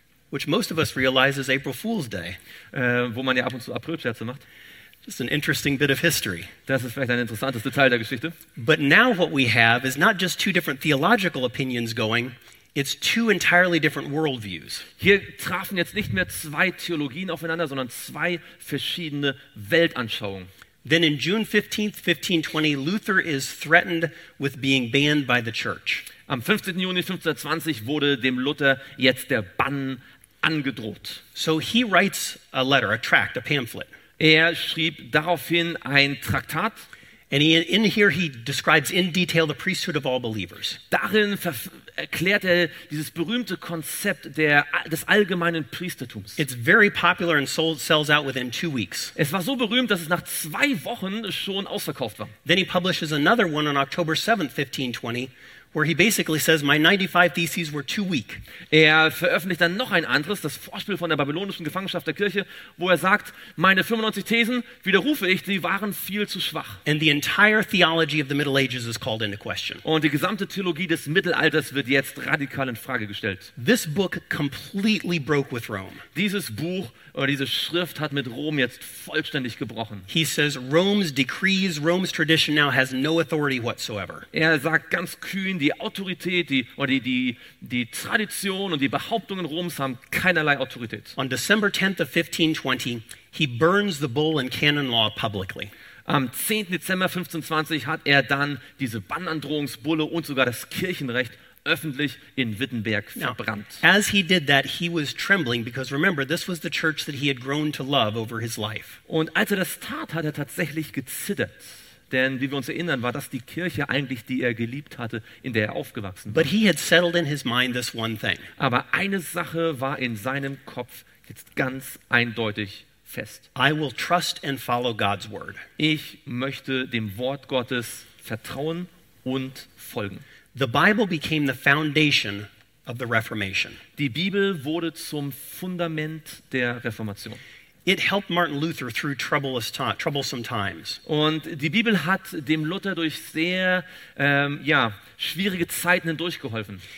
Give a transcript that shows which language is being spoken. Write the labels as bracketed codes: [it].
[en] Which most of us realize is April Fool's Day. [de] Wo man ja ab und zu April-Scherze macht. [en] Just an interesting bit of history. [de] Das ist vielleicht ein interessantes Detail der Geschichte. [en] But now what we have is not just two different theological opinions going, it's two entirely different worldviews. [de] Hier trafen jetzt nicht mehr zwei Theologien aufeinander, sondern zwei verschiedene Weltanschauungen. [en] Then in June 15th, 1520, Luther is threatened with being banned by the church. [de] Am 15. Juni 1520 wurde dem Luther jetzt der Bann angedroht. [en] So he writes a letter, a tract, a pamphlet. [de] Er schrieb daraufhin ein Traktat. [en] And in here he describes in detail the priesthood of all believers. [de] Darin erklärt er dieses berühmte Konzept des allgemeinen Priestertums. [en] It's very popular and sells out within 2 weeks. [de] Es war so berühmt, dass es nach 2 Wochen schon ausverkauft war. [en] Then he publishes another one on October 7th, 1520. Where he basically says my 95 theses were too weak. [de] Er veröffentlicht dann noch ein anderes, das Vorspiel von der babylonischen Gefangenschaft der Kirche, wo er sagt, meine 95 Thesen, widerrufe ich, sie waren viel zu schwach. [en] And the entire theology of the Middle Ages is called into question. [de] Und die gesamte Theologie des Mittelalters wird jetzt radikal in Frage gestellt. [en] This book completely broke with Rome. [de] Dieses Buch oder diese Schrift hat mit Rom jetzt vollständig gebrochen. [en] He says Rome's decrees, Rome's tradition now has no authority whatsoever. [de] Er sagt ganz kühn, die Autorität, die Tradition und die Behauptungen Roms haben keinerlei Autorität. [en] On December 10th of 1520, he burns the bull and canon law publicly. [de] Am 10. Dezember 1520 hat er dann diese Bannandrohungsbulle und sogar das Kirchenrecht öffentlich in Wittenberg verbrannt. [en] Now, as he did that, he was trembling because remember, this was the church that he had grown to love over his life. [de] Und als er das tat, hat er tatsächlich gezittert. Denn wie wir uns erinnern, war das die Kirche eigentlich, die er geliebt hatte, in der er aufgewachsen war. [en] But he had settled in his mind this one thing. [de] Aber eine Sache war in seinem Kopf jetzt ganz eindeutig fest. [en] I will trust and follow God's word. [de] Ich möchte dem Wort Gottes vertrauen und folgen. [en] The Bible became the foundation of the Reformation. [de] Die Bibel wurde zum Fundament der Reformation. [en] It helped Martin Luther through troublesome times. [de] Und die Bibel hat dem Luther durch sehr schwierige Zeiten hindurch geholfen.